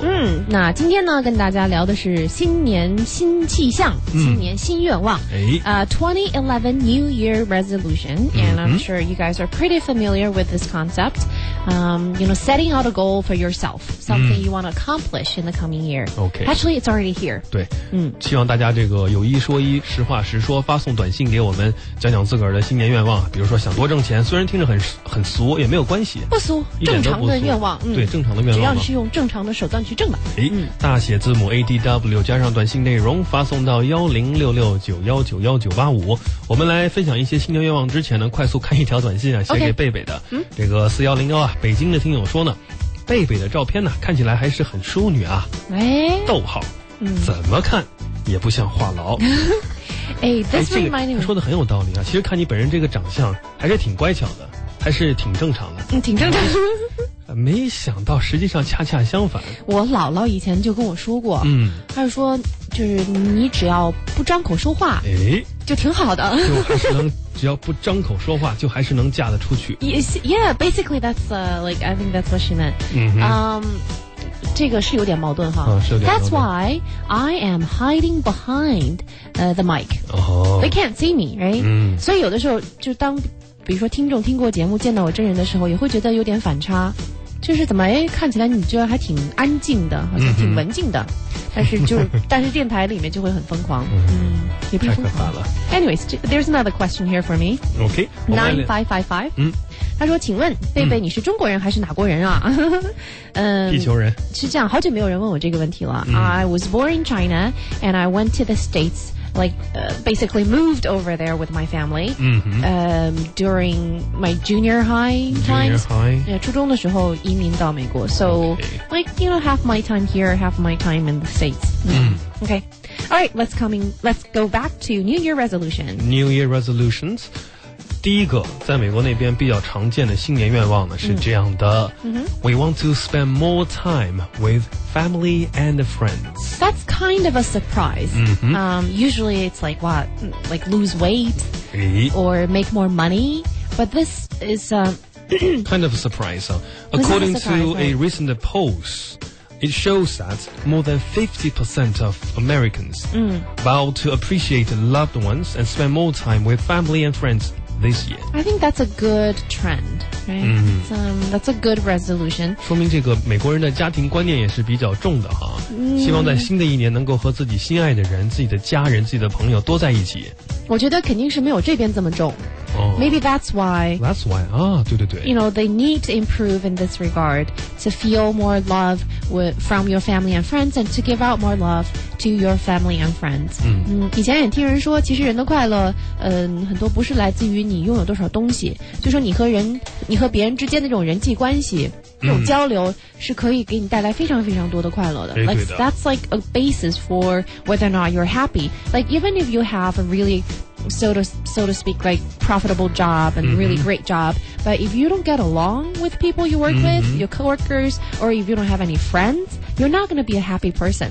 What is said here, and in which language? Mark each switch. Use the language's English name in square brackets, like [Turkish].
[Chinese] 嗯，那今天呢跟大家聊的是新年新气象，新年新愿望。 [English] 2011 New Year Resolution. And I'm sure you guys are pretty familiar with this concept. You know, setting out a goal for yourself. Something you want to accomplish in the coming year. Okay. Actually, it's already here. [Chinese] 对，希望大家这个有意说一实话实说，发送短信给我们，讲讲自个儿的新年愿望，比如说想多挣钱，虽然听着很俗，也没有关系，不俗，正常的愿望，对，正常的愿望，只要你是用正常的手段去挣的，大写字母 ADW 加上短信内容发送到10669199985。我们来分享一些新年愿望之前呢，快速看一条短信啊，写给贝贝的。这个4101啊，北京的听友说呢，贝贝的照片呢看起来还是很淑女啊，逗号，怎么看也不像话痨。这个说的很有道理啊，其实看你本人这个长相还是挺乖巧的，还是挺正常的，挺正常的。没想到实际上恰恰相反，我姥姥以前就跟我说过，她说就是你只要不张口说话，就挺好的，就还是能只要不张口说话就还是能嫁得出去。 [English] Yeah, basically that's like I think that's what she meant. [Chinese] 这个是有点矛盾哈， [English] That's why I am hiding behind the mic. They can't see me, right? [Chinese] 所以有的时候就当比如说听众听过节目见到我真人的时候，也会觉得有点反差，就是怎么看起来你觉得还挺安静的，好像挺文静的，但是就但是电台里面就会很疯狂。也不是疯狂，太可怕了。 [English] Anyways, there's another question here for me. Okay, [Chinese] 9555他说请问贝贝你是中国人还是哪国人啊？地球人。是这样，好久没有人问我这个问题了。 [English] I was born in China and I went to the States, like basically moved over there with my family. During my junior high times. Junior high. [Chinese] 初中的时候移民到美国。 [English] So, okay. like, you know, half my time here, half my time in the States. Okay. All right, let's go back to New Year resolutions. [Chinese] New Year resolutions. 第一个在美国那边比较常见的新年愿望呢是这样的、 [English] We want to spend more time with family and friends. That's kind of a surprise. Usually it's like what? Like lose weight or make more money. But this is kind of a surprise. According a surprise, to a recent post, it shows that more than 50% of Americans vow to appreciate loved ones and spend more time with family and friendsThis year. I think that's a good trend, right? That's a good resolution. [Chinese] 说明这个美国人的家庭观念也是比较重的哈。希望在新的一年能够和自己心爱的人、自己的家人、自己的朋友多在一起。我觉得肯定是没有这边这么重。 [English] Oh, maybe that's why. That's why. Ah, [Chinese] 对对对 [English] You know, they need to improve in this regard to feel more love with, from your family and friends and to give out more love to your family and friends. [Chinese] 以前也听人说其实人的快乐很多不是来自于你拥有多少东西就说你和别人之间的这种人际关系这种交流是可以给你带来非常非常多的快乐的 [English] like, That's like a basis for whether or not you're happy Like even if you have a really so to speak like profitable job and really great job But if you don't get along with people you work with Your coworkers Or if you don't have any friends You're not going to be a happy person